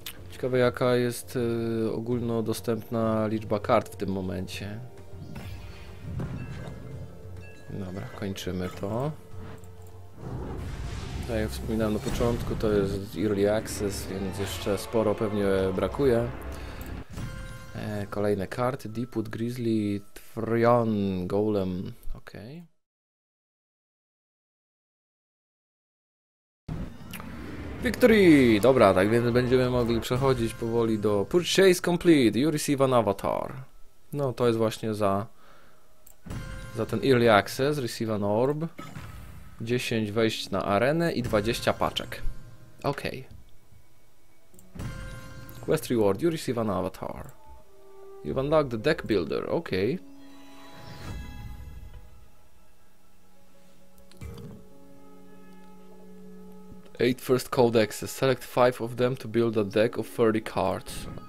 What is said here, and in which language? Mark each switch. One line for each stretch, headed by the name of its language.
Polish: Ciekawe, jaka jest ogólnodostępna liczba kart w tym momencie. Dobra, kończymy to. Tak jak wspominałem na początku, to jest Early Access, więc jeszcze sporo pewnie brakuje. Kolejne karty.
English: Deepwood, Grizzly, Trion, Golem. Okej. Okay. Victory!
Polish: Dobra, tak więc będziemy mogli przechodzić powoli do
English: Purchase Complete, you receive an avatar.
Polish: No, to jest właśnie za ten Early Access,
English: receive an orb,
Polish: 10 wejść na arenę i 20 paczek. Okej. Okay.
English: Quest Reward, you receive an avatar. You've unlocked the Deck Builder, okej. Okay. Eight first codexes. Select five of them to build a deck of 30 cards.